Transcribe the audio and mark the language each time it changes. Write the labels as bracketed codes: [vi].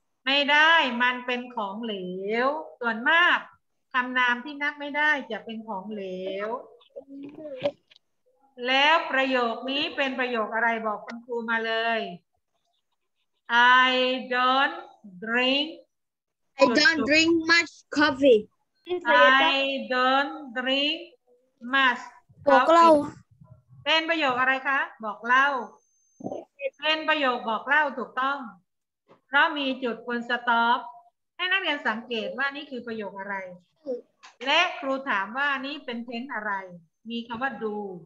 [th] ไม่ได้มันเป็นของเหลวส่วนมากคำนามที่นับไม่ได้จะเป็นของเหลวแล้วประโยคนี้เป็นประโยคอะไรบอกคุณครูมาเลย I don't drink [en] I don't drink much coffee I don't drink much [th] บอกเล่า เป็นประโยคอะไรคะบอกเล่าเป็นประโยคบอกเล่าถูกต้องเพราะมีจุดควรสต็อปให้นักเรียนสังเกตว่านี่คือประโยคอะไรและครูถามว่านี่เป็นเทนส์อะไรมีคำว่าดู